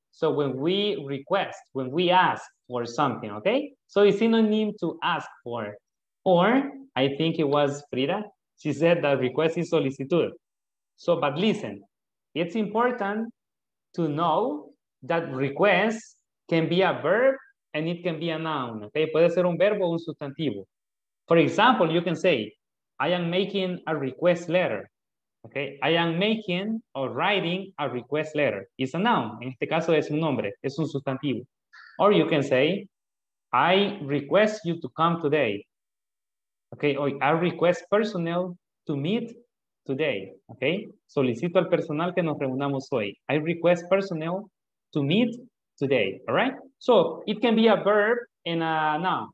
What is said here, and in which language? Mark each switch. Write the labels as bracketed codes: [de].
[en] So when we request, when we ask for something, okay? So it's synonym to ask for. Or, I think it was Frida, She said that request is solicitud. So, but listen, it's important to know that request can be a verb and it can be a noun. Okay, [es] puede ser un verbo o un sustantivo. [en] For example, you can say, I am making a request letter. Okay, I am making or writing a request letter. It's a noun. [es] En este caso es un nombre, es un sustantivo. [en] Or you can say, I request you to come today. Okay, or I request personnel to meet today. [es] Okay, solicito al personal que nos reunamos hoy. [en] I request personnel to meet today. All right, so it can be a verb and a noun.